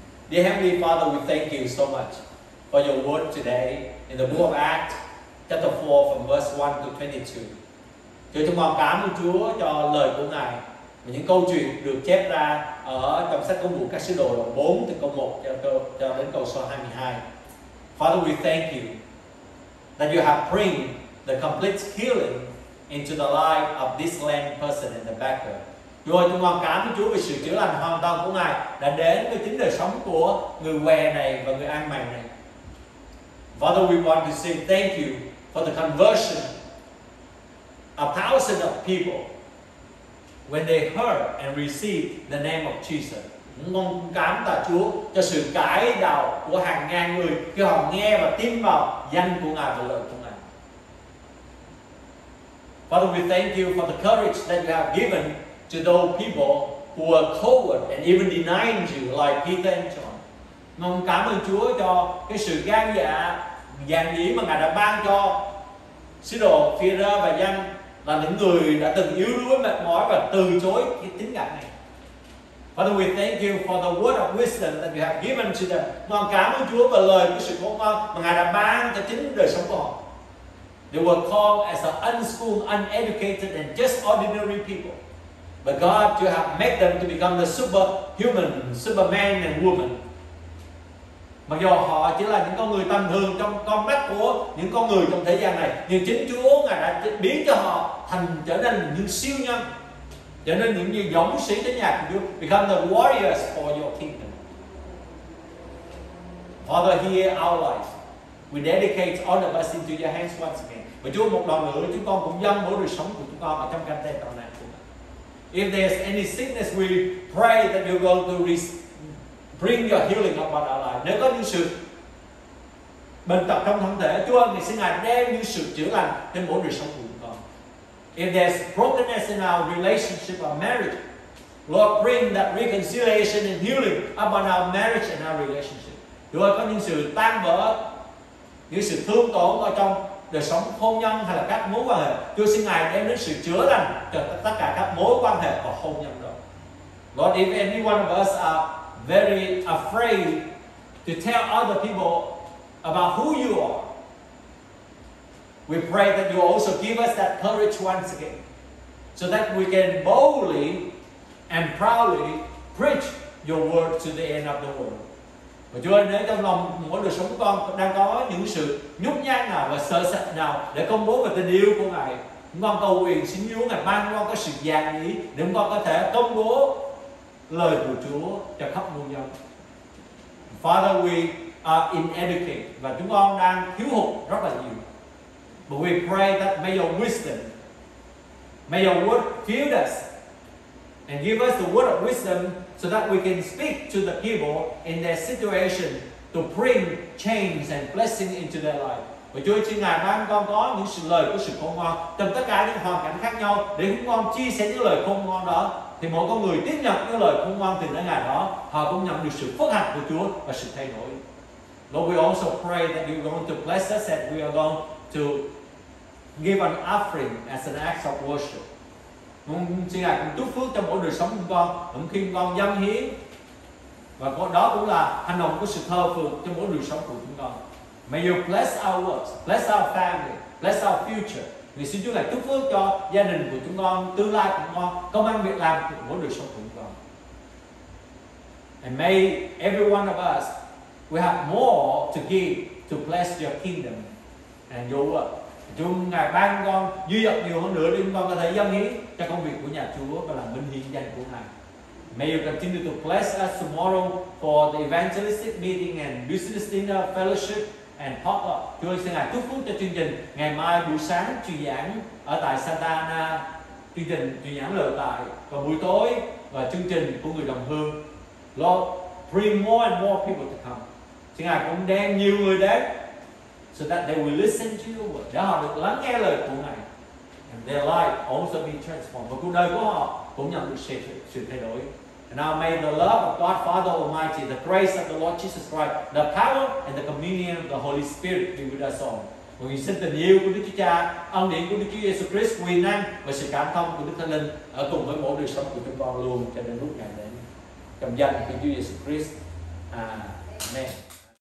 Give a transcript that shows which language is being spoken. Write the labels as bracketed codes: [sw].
[en] Dear Heavenly Father, we thank you so much for your word today in the book of Acts, chapter 4, from verse 1 to 22. [vi] Chúa, chúng con cảm ơn Chúa cho lời của Ngài và những câu chuyện được chép ra ở trong sách Công vụ các sứ đồ đoạn 4 từ câu 1 cho đến câu số 22. [en] Father, we thank you that you have bring the complete healing into the life of this lame person in the background. [vi] Chúa ơi, chúng con cảm ơn Chúa vì sự chữa lành hoàn toàn của Ngài đã đến với chính đời sống của người què này và người ăn mày này. [en] Father, we want to say thank you for the conversion of thousands of people when they heard and received the name of Jesus. [vi] Chúng con cảm tạ Chúa cho sự cải đạo của hàng ngàn người khi họ nghe và tin vào danh của Ngài và lời của Ngài. [en] Father, we thank you for the courage that you have given to those people who are coward and even denying you, like Peter and John. [vi] Mong cảm ơn Chúa cho cái sự gan dạ, dạn dĩ mà Ngài đã ban cho sứ đồ Peter và John, là những người đã từng yếu đuối, mệt mỏi và từ chối cái tín ngạc này. [en] Father, we thank you for the word of wisdom that you have given to them. [vi] Mong cảm ơn Chúa và lời của sự khôn ngoan mà Ngài đã ban cho chính đời sống của họ. [en] They were called as an unschooled, uneducated and just ordinary people. But God, you have made them to become the superhuman, superman and woman. [vi] Mặc dù họ chỉ là những con người tầm thường trong con mắt của những con người trong thế gian này, nhưng chính Chúa Ngài đã biến cho họ thành trở nên những siêu nhân, trở nên những như dũng sĩ trên nhà của Chúa, [en] become the warriors for your kingdom. Father, hear our life. We dedicate all of us into your hands once again. [vi] Và Chúa, một lần nữa chúng con cũng dâng mỗi đời sống của chúng con ở trong cánh tay tạo này. [en] If there's any sickness, we pray that you're going to bring your healing upon our life. [vi] Nếu có những sự bệnh tật trong thân thể, Chúa ơi, xin Ngài đem những sự chữa lành đến mỗi đời sống của chúng con. [en] If there's brokenness in our relationship or marriage, Lord, bring that reconciliation and healing upon our marriage and our relationship. [vi] Chúa ơi, có những sự tan vỡ, những sự thương tổn ở trong đời sống hôn nhân hay là các mối quan hệ, Chúa xin Ngài đem đến sự chữa lành cho tất cả các mối quan hệ và hôn nhân đó. [en] Lord, if any one of us are very afraid to tell other people about who you are, we pray that you also give us that courage once again, so that we can boldly and proudly preach your word to the end of the world. [vi] Và Chúa ơi, nếu trong lòng mỗi đời sống con đang có những sự nhút nhát nào và sợ sệt nào để công bố về tình yêu của Ngài, con cầu nguyện xin Chúa Ngài ban con có sự dàn ý để con có thể công bố lời của Chúa cho khắp muôn dân. [en] Father, we are inadequate [vi] và chúng con đang thiếu hụt rất là nhiều. [en] But we pray that may your wisdom, may your word fill us and give us the word of wisdom so that we can speak to the people in their situation to bring change and blessing into their life. [vi] Và Chúa xin Ngài ban con có những sự lời của sự khôn ngoan trong tất cả những hoàn cảnh khác nhau để chúng con chia sẻ những lời khôn ngoan đó. Thì mỗi con người tiếp nhận những lời khôn ngoan từ nơi Ngài đó, họ cũng nhận được sự phước hạnh của Chúa và sự thay đổi. [en] Lord, we also pray that you're going to bless us and we are going to give an offering as an act of worship. [vi] Mong xin Ngài cũng chúc phước cho mỗi đời sống của con, cũng khi con dâng hiến. Và đó cũng là hành động của sự thờ phượng cho mỗi đời sống của chúng con. [en] May you bless our works, bless our family, bless our future. [vi] Vì xin Chúa lại chúc phước cho gia đình của chúng con, tương lai của chúng con, công ăn việc làm của mỗi đời sống của chúng con. [en] And may every one of us, we have more to give to bless your kingdom and your work. [vi] Chúng Ngài ban con dư dật nhiều hơn nữa để chúng con có thể dâng hiến cho công việc của nhà Chúa và làm minh hiến danh của Ngài. [en] May you continue to bless us tomorrow for the evangelistic meeting and business dinner fellowship and potluck. [vi] Chúa xin Ngài chúc phúc cho chương trình ngày mai buổi sáng truyền giảng ở tại Santa Ana, chương trình truyền giảng lợi tại và buổi tối và chương trình của người đồng hương. [en] Lord, bring more and more people to come. [vi] Xin Ngài cũng đem nhiều người đến, [en] so that they will listen to your word, [vi] để họ được lắng nghe lời của Ngài, [en] and their life also be transformed. [vi] Và cuộc đời của họ cũng nhận được sự thay đổi. [en] And now may the love of God Father Almighty, the grace of the Lord Jesus Christ, the power and the communion of the Holy Spirit be with us all. [vi] Hội nghị xin tình yêu của Đức Chúa Cha, ân điển của Đức Chúa Giêsu Christ, quyền năng và sự cảm thông của Đức Thánh Linh ở cùng với mỗi đời sống của chúng con luôn cho đến lúc ngày đến. Trong danh của Chúa Giêsu Christ. Amen.